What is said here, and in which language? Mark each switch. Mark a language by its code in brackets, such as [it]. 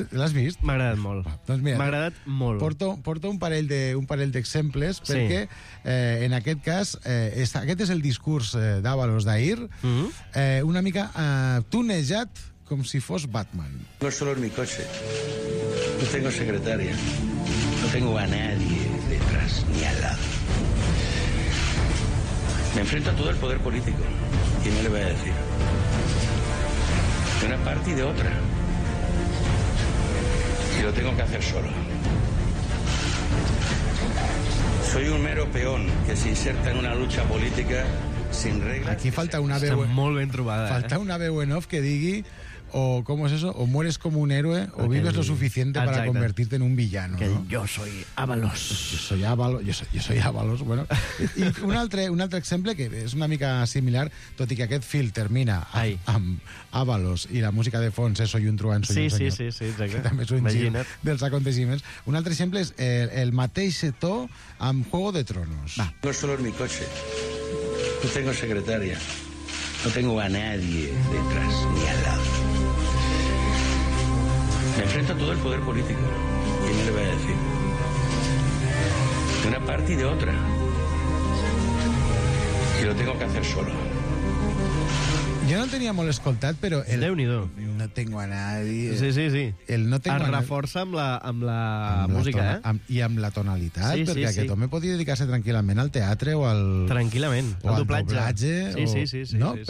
[ca] L'has vist? M'ha agradat molt. Doncs mira, m'ha agradat molt. Porto un parell d'exemples, perquè sí. En aquest cas, aquest és el discurs d'Ábalos d'ahir, una mica tunejat com si fos Batman. [es] No és solo mi coche. No tengo secretaria. No tengo a nadie detrás ni al lado. Me enfrento a todo el poder político. ¿Y no le voy a decir? De una parte y de otra. Y lo tengo que hacer solo. Soy un mero peón que se inserta en una lucha política sin reglas. [ca] Aquí falta una veu. [es] Está muy bien trobada. [ca] Falta una veu en off que digui. O, [es] ¿cómo es eso? O mueres como un héroe, o vives lo suficiente para convertirte en un villano, que ¿no? Yo soy Ábalos. Yo soy Ábalos, bueno. [ca] I un altre exemple, que és una mica similar, tot i que aquest fil termina amb Ábalos i la música de fons és Soy un truán, soy sí, un senyor. Sí, sí, sí, exacte. Que també és un gir dels aconteciments. Un altre exemple és el mateix to amb Juego de Tronos. Va. [es] No solo en mi coche. No tengo secretaria. No tengo a nadie detrás ni al lado. Me enfrenta todo el poder político. ¿Quién me lo va a decir? De una parte y de otra. Y lo tengo que hacer solo. [ca] Jo no el tenia molt escoltat, però... El... Déu-n'hi-do. [es] No tengo a nadie... [ca] Sí, sí, sí. El no tengo es reforça a... amb la música, tona, eh? Amb, i amb la tonalitat, sí, perquè sí, aquest sí. Home podia dedicar-se tranquil·lament al teatre o al... Tranquil·lament, o al doblatge. Doblatge. Sí, sí, sí. Sí, no, sí, sí.